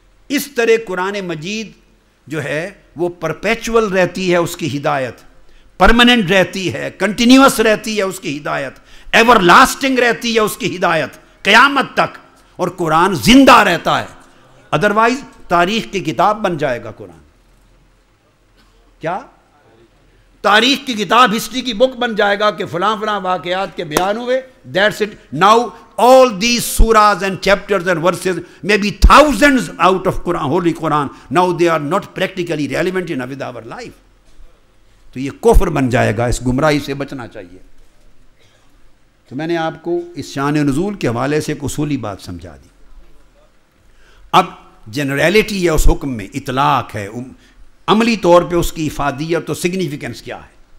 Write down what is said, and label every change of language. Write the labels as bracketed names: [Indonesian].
[Urdu] اس طرح قرآن مجید جو ہے وہ پرپیچول رہتی ہے, اس کی ہدایت پرماننٹ رہتی ہے, کنٹینیوس رہتی ہے, اس کی ہدایت ایور لاسٹنگ رہتی ہے, اس کی ہدایت قیامت تک, اور قرآن زندہ رہتا ہے. ادروائز تاریخ کی کتاب بن جائے گا قرآن. کیا تاریخ کی کتاب, ہسٹری کی بک بن جائے گا کہ فلاں فلاں واقعات کے بیان ہوئے, [English] That's it, now all these surahs and chapters and verses may be thousands out of Quran, holy Quran, now they are not practically relevant in with our life. [Urdu] تو یہ کفر بن جائے گا, اس گمراہی سے بچنا چاہیے. تو میں نے آپ کو اس شان نزول کے حوالے سے ایک اصولی بات سمجھا دی. اب جنریلٹی ہے اس حکم میں, اطلاق ہے, عملی طور پہ اس کی افادیت تو سگنیفیکینس کیا ہے.